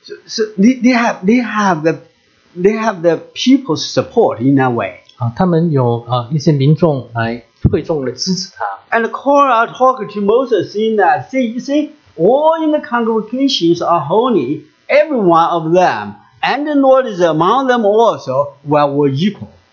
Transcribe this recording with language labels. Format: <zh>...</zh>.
<en>So they have the people's support in that way.</en> <zh>他们有一些民众来会众来支持他。</zh> <en>And Korah talked to Moses saying that, see, all in the congregations are holy, every one of them, and the Lord is among them also, where we're equal.</en>